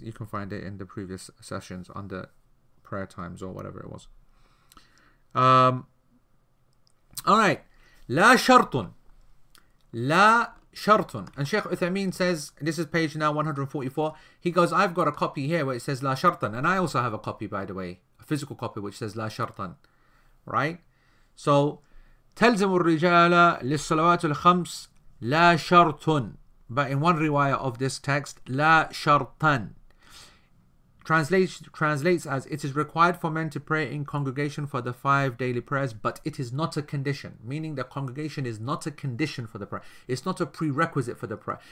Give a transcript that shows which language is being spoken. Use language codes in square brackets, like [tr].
[en] You can find it in the previous sessions under prayer times or whatever it was. Alright. [ar] لا شرطن. [en] And Sheikh Uthameen says, this is page now 144. He goes, I've got a copy here where it says [ar] لا شرطن. [en] And I also have a copy, by the way, a physical copy which says لا شرطن. Right? [ar] So تلزم الرجال للصلوات الخمس لا شرطن. [en] But in one riwayah of this text, [ar] لا شرطن [en] translates as, it is required for men to pray in congregation for the 5 daily prayers, but it is not a condition. Meaning the congregation is not a condition for the prayer. It's not a prerequisite for the prayer.